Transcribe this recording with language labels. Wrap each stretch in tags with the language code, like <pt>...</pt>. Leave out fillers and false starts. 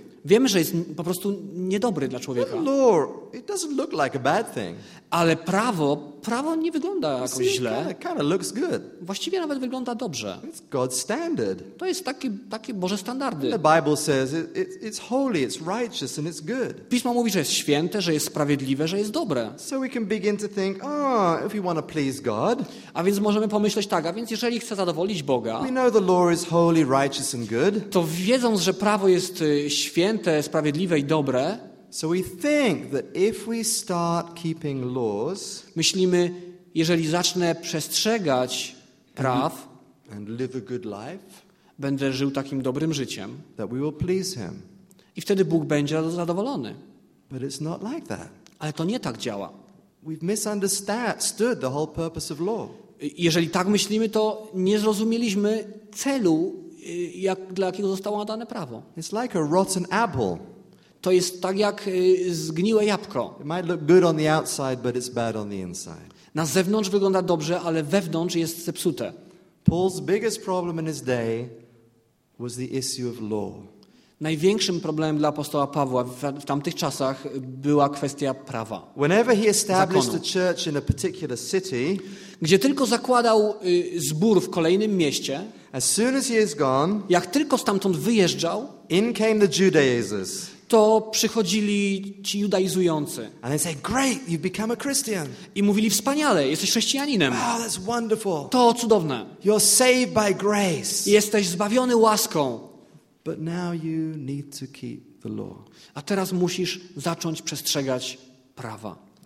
<pl>Wiemy, że jest po prostu niedobry dla człowieka.</pl> <en>But Lord, it doesn't look like a bad thing.</en> <pl>Ale prawo nie wygląda jakoś</pl> <en>see,</en> <pl>źle.</pl> <en>Kinda looks good.</en> <pl>Właściwie nawet wygląda dobrze.</pl> <en>It's God's standard.</en> <pl>To jest takie Boże standardy.</pl> <en>And the Bible says it's holy, it's righteous and it's good.</en> <pl>Pismo mówi, że jest święte, że jest sprawiedliwe, że jest dobre.</pl> <en>So we can begin to think, oh, if we want to please God.</en> <pl>A więc możemy pomyśleć tak, a więc jeżeli chcę zadowolić Boga.</pl> <en>We know the law is holy, righteous and good.</en> <pl>To wiedząc, że prawo jest święte, sprawiedliwe i dobre.</pl> <en>So we think that if we start keeping laws,</en> <pl>myślimy, jeżeli zacznę przestrzegać praw,</pl> <en>and live a good life,</en> <pl>będę żył takim dobrym życiem,</pl> <en>that we will please him.</en> <pl>I wtedy Bóg będzie zadowolony.</pl> <en>But it's not like that.</en> <pl>Ale to nie tak działa.</pl> <en>We've misunderstood the whole purpose of law.</en> <pl>Jeżeli tak myślimy, to nie zrozumieliśmy celu, dla jakiego zostało nadane prawo.</pl> <en>It's like a rotten apple.</en> <pl>To jest tak jak zgniłe jabłko.</pl> <en>It might look good on the outside, but it's bad on the inside.</en> <pl>Na zewnątrz wygląda dobrze, ale wewnątrz jest zepsute.</pl> <en>Paul's biggest problem in his day was the issue of law.</en> <pl>Największym problemem dla apostoła Pawła w tamtych czasach była kwestia prawa.</pl> <en>Whenever he established a church in a particular city,</en> <pl>gdzie tylko zakładał zbór w kolejnym mieście,</pl> <en>as soon as he is gone,</en> <pl>jak tylko stamtąd wyjeżdżał,</pl> <en>in came the Judaizers.</en> <pl>To przychodzili ci judaizujący.</pl> <en>And they say, great, you've become a Christian.</en> <pl>I mówili, wspaniale, jesteś chrześcijaninem.</pl> <en>Oh, that's wonderful.</en> <pl>To cudowne.</pl> <en>You're saved by grace.</en> <pl>Jesteś zbawiony łaską.</pl> <en>But now you need to keep the law.</en> <pl>A teraz musisz zacząć przestrzegać prawa.</pl>